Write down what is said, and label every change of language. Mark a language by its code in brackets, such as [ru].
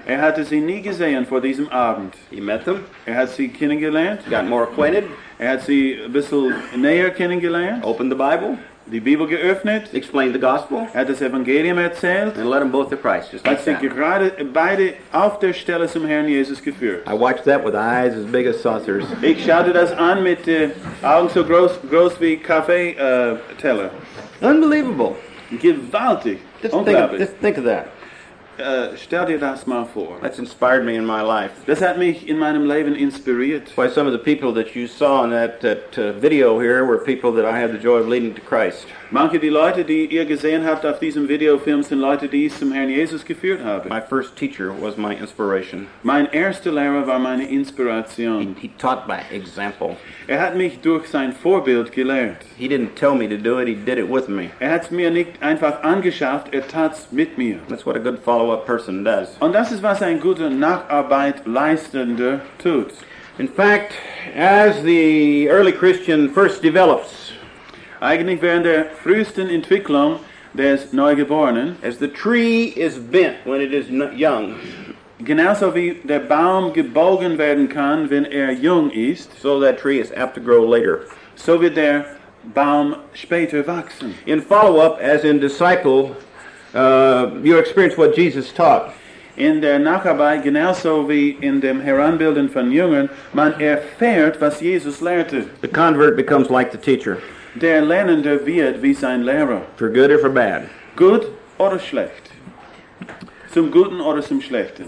[de] Er hatte sie nie gesehen vor diesem Abend. [en] He met them. [de] Er hat sie kennengelernt. [en] Got more acquainted. [de] Er hat sie ein bisschen näher kennengelernt. [en] Opened the Bible. [de] Die Bibel geöffnet. [en] Explained the gospel. [de] Hat das Evangelium erzählt. [en] And led them both to Christ. Just like [de] hat sie gerade beide auf der Stelle zum Herrn Jesus geführt. [en] I watched that with eyes as big as saucers. [de] Ich schaute das an mit Augen so groß wie Kaffeeteller. [en] Unbelievable. [de] Gewaltig. [en] Just think of that. [de] Stell dir das mal vor. [en] That's inspired me in my life. [de] Das hat mich in meinem Leben inspiriert. [en] Why, some of the people that you saw in that video here were people that I had the joy of leading to Christ. [de] Manche die Leute, die ihr gesehen habt auf diesem Videofilm, sind Leute, die ich zum Herrn Jesus geführt habe. [en] My first teacher was my inspiration. [de] Mein erster Lehrer war meine Inspiration. [en] He taught by example. [de] Er hat mich durch sein Vorbild gelernt. [en] He didn't tell me to do it, he did it with me. [de] Er hat es mir nicht einfach angeschafft, er tat es mit mir. [en] That's what a good follow-up person does. [de] Und das ist, was ein guter Nacharbeitleistender tut. [en] In fact, as the early Christian first develops, [de] eigentlich während der frühesten Entwicklung des Neugeborenen, [en] as the tree is bent when it is young, [de] genauso wie der Baum gebogen werden kann, wenn jung ist, [en] so that tree is apt to grow later. [de] So wird der Baum später wachsen. [en] In follow-up, as in disciple, you experience what Jesus taught. [de] In der Nacharbeit, genauso wie in dem Heranbilden von Jüngern, man erfährt, was Jesus lehrte. [en] The convert becomes like the teacher. [de] Der Lernende wird wie sein Lehrer. [en] For good or for bad. [de] Gut oder schlecht. Zum Guten oder zum Schlechten.